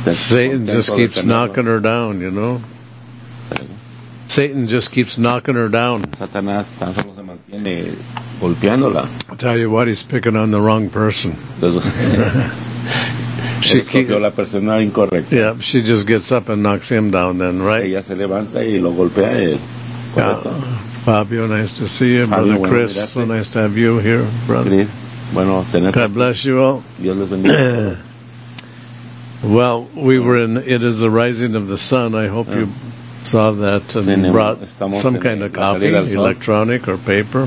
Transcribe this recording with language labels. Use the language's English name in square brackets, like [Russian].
[English] Satan just keeps knocking her down, you know. Satan just keeps knocking her down. [Spanish] Satanás tan solo se mantiene golpeándola. [English] I tell you what, he's picking on the wrong person. [Spanish] She escogió la persona incorrecta. [English] Yeah, she just gets up and knocks him down then, right? [Spanish] Ella se levanta y lo golpea a él. [English] Fabio, nice to see you. Fabio, brother Chris, so nice to have you here, brother. [Spanish] Bueno, tenerte. [English] God bless you all. [Spanish] Dios les bendiga. [English] Well, we were in It Is the Rising of the Sun. I hope you saw that and brought some kind of copy, electronic or paper.